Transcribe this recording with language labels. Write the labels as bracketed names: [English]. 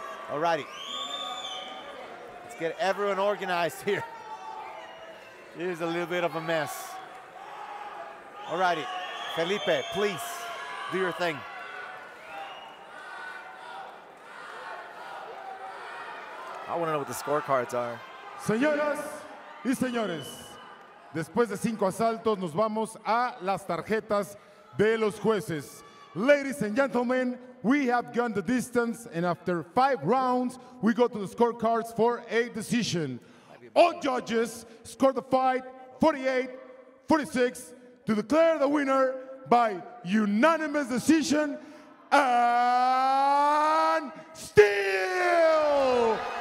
[English] All righty. Let's get everyone organized here. It is a little bit of a mess. All righty. Felipe, please do your thing. I want to know what the scorecards are. [Spanish] Señoras y señores, después de cinco asaltos, nos vamos a las tarjetas de los jueces. [English] Ladies and gentlemen, we have gone the distance, and after five rounds, we go to the scorecards for a decision. All judges score the fight 48-46 to declare the winner by unanimous decision and steal!